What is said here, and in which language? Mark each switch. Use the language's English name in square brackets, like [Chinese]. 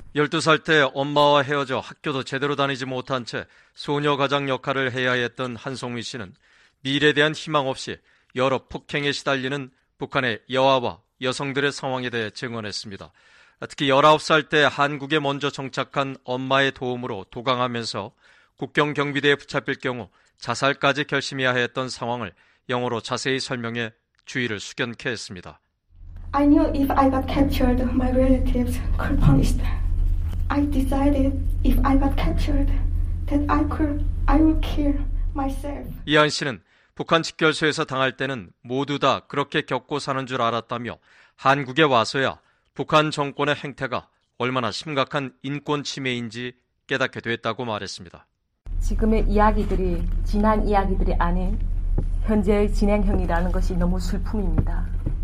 [Korean] 12살 때 엄마와 헤어져 학교도 제대로 다니지 못한 채 소녀가장 역할을 해야 했던 한송미 씨는 미래에 대한 희망 없이 여러 폭행에 시달리는 북한의 여아와 여성들의 상황에 대해 증언했습니다. 특히 19살 때 한국에 먼저 정착한 엄마의 도움으로 도강하면서 국경경비대에 붙잡힐 경우 자살까지 결심해야 했던 상황을 영어로 자세히 설명해 주의를 숙연케 했습니다. [English] I knew if I got captured, my relatives could punish them. I decided if I got captured, that I would kill myself. [Korean] 이한 씨는 북한 집결소에서 당할 때는 모두 다 그렇게 겪고 사는 줄 알았다며 한국에 와서야 북한 정권의 행태가 얼마나 심각한 인권 침해인지 깨닫게 됐다고 말했습니다. 지금의 이야기들이 지난 이야기들이 아닌 현재의 진행형이라는 것이 너무 슬픔입니다.